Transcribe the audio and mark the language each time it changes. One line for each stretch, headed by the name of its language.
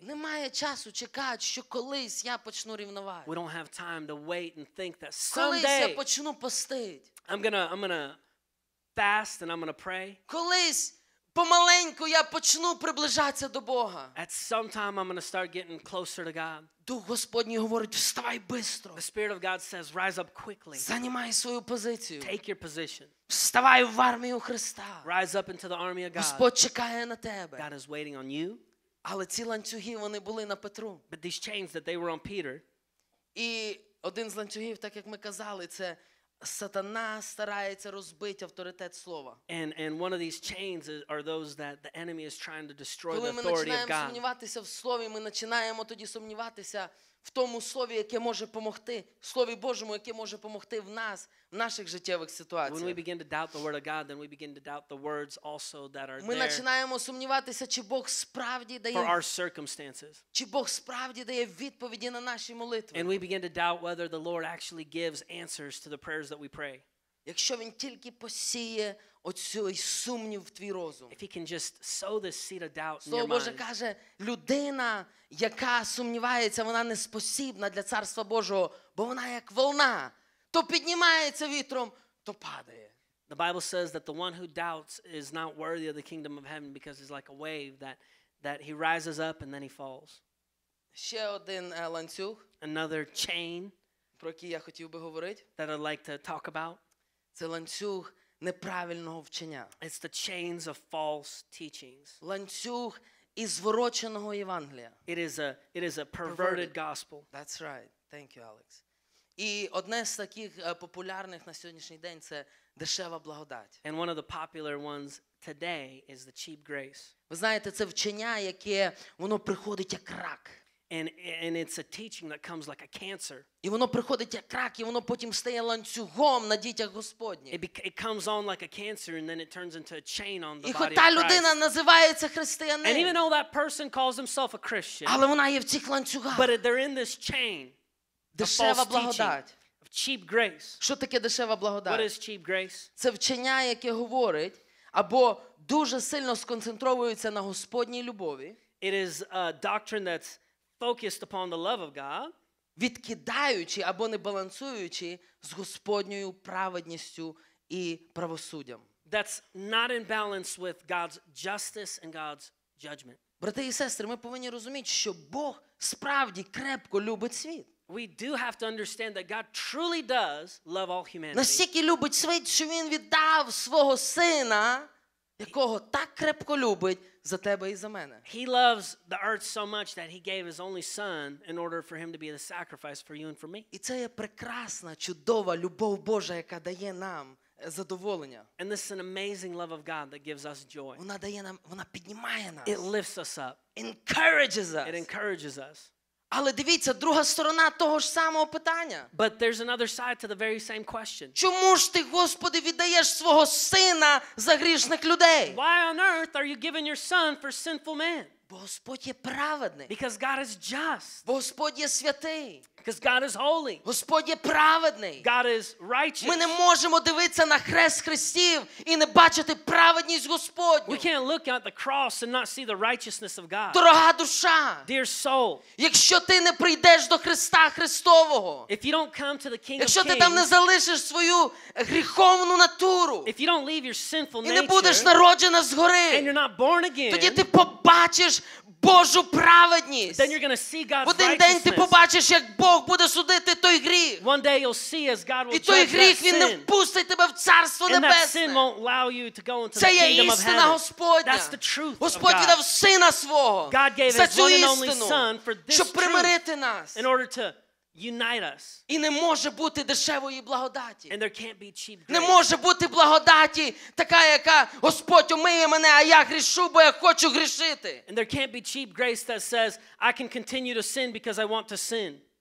Ukrainian: Немає часу чекати, що колись я почну рівнувати.
English: We don't have time to wait and think that someday
Ukrainian: колись я почну постить.
English: I'm gonna fast and I'm gonna pray.
Ukrainian: Колись помаленьку я почну приближатися до Бога.
English: At some time I'm gonna start getting closer to God.
Ukrainian: Дух Господній говорить: "Вставай швидко."
English: The Spirit of God says, "Rise up quickly."
Ukrainian: Займай свою позицію.
English: Take your position.
Ukrainian: Вставай в армію Христа.
English: Rise up into the army of God.
Ukrainian: Господь чекає на тебе.
English: God is waiting on you.
Ukrainian: Але ці ланцюги, вони були на Петру.
English: But these chains that they were on Peter.
Ukrainian: І один з ланцюгів, так як ми казали, це Сатана старається розбити авторитет слова.
English: And one of these chains are those that the enemy is trying to destroy the authority of God.
Ukrainian: Коли ми починаємо сумніватися в слові, ми починаємо тоді сумніватися в тому слові, яке може помогти, в слові Божому, яке може помогти в нас, в наших життєвих ситуаціях.
English: When we begin to doubt the word of God, then we begin to doubt the words also that are there.
Ukrainian: Ми починаємо сумніватися, чи Бог справді дає
English: for our circumstances.
Ukrainian: Чи Бог справді дає відповіді на наші молитви.
English: And we begin to doubt whether the Lord actually gives answers to the prayers that we pray.
Ukrainian: Якщо він тільки посіє оцей сумнів в твій розум.
English: If he can just sow this seed of doubt in your mind.
Ukrainian: Боже каже, людина, яка сумнівається, вона не спосібна для царства Божого, бо вона як волна, то піднімається вітром, то падає.
English: The Bible says that the one who doubts is not worthy of the kingdom of heaven because he's like a wave that he rises up and then he falls.
Ukrainian: Ще один ланцюг.
English: Another chain.
Ukrainian: Про який я хотів би говорити.
English: That I'd like to talk about.
Ukrainian: Це ланцюг неправильного вчення.
English: It's the chains of false teachings.
Ukrainian: Ланцюг, і звороченого Євангелія.
English: It is a perverted gospel. That's right. Thank you, Alex.
Ukrainian: І одне з таких популярних на сьогоднішній день – це дешева благодать.
English: And one of the popular ones today is the cheap grace.
Ukrainian: Ви знаєте, це вчення, яке воно приходить як рак.
English: And it's a teaching that comes like a cancer.
Ukrainian: І воно приходить як рак, і воно потім стає ланцюгом на дітях Господніх.
English: It comes on like a cancer and then it turns into a chain on the body of Christ.
Ukrainian: І хоча людина називається християнином.
English: And even though that person calls himself a Christian.
Ukrainian: Але вона є в цих ланцюгах.
English: But they're in this chain.
Ukrainian: Дешева благодать.
English: Of cheap grace.
Ukrainian: Що таке дешева благодать?
English: What is cheap grace?
Ukrainian: Це вчення, яке говорить або дуже сильно сконцентровується на Господній любові.
English: It is a doctrine that's focused upon the love of God,
Ukrainian: відкидаючи або не балансуючи з Господньою праведністю і правосуддям.
English: That's not in balance with God's justice and God's judgment.
Ukrainian: Брати і сестри, ми повинні розуміти, що Бог справді крепко любить світ.
English: We do have to understand that God truly does love all humanity.
Ukrainian: Настільки любить світ, що він віддав свого сина, якого так крепко любить, за тебе і за мене.
English: He loves the earth so much that he gave his only son in order for him to be the sacrifice for you and for me.
Ukrainian: І це є прекрасна, чудова любов Божа, яка дає нам задоволення.
English: And this is an amazing love of God that gives us joy.
Ukrainian: Вона дає нам, вона піднімає нас.
English: It lifts us up. Encourages us. It encourages us.
Ukrainian: Але дивіться, друга сторона того ж самого питання.
English: But there's another side to the very same question.
Ukrainian: Чому ж ти, Господи, віддаєш свого сина за грішних людей?
English: Why on earth are you giving your son for sinful men?
Ukrainian: Бо Господь є праведний.
English: Because God is just.
Ukrainian: Бо Господь є святий.
English: Because God is holy.
Ukrainian: Господь є праведний.
English: God is righteous.
Ukrainian: Ми не можемо дивитися на хрест Христів і не бачити праведність Господню.
English: We can't look at the cross and not see the righteousness of God.
Ukrainian: Дорога душа.
English: Dear soul.
Ukrainian: Якщо ти не прийдеш до Христа Христового.
English: If you don't come to the King of Kings.
Ukrainian: Якщо ти там не залишиш свою гріховну натуру.
English: If you don't leave your sinful nature.
Ukrainian: І не будеш народжена згори.
English: And you're not born again.
Ukrainian: Тоді ти побачиш Божу праведність.
English: Then you're going to see God's righteousness.
Ukrainian: Один день ти побачиш, як Бог буде судити той гріх.
English: One day you'll see as God will judge that sin.
Ukrainian: І той гріх, він не впустить тебе в Царство Небесне.
English: And that sin won't allow you to go into the kingdom of heaven.
Ukrainian: Це є істина Господня.
English: That's the truth of God.
Ukrainian: Господь віддав сина свого.
English: God gave his one and only son for this truth.
Ukrainian: Щоб примирити нас.
English: In order to unite us.
Ukrainian: І не може бути дешевої благодаті.
English: And there can't be cheap grace.
Ukrainian: Не може бути благодаті така, яка Господь умиє мене, а я грішу, бо я хочу грішити.
English: And there can't be cheap grace that says I can continue to sin because I want to sin.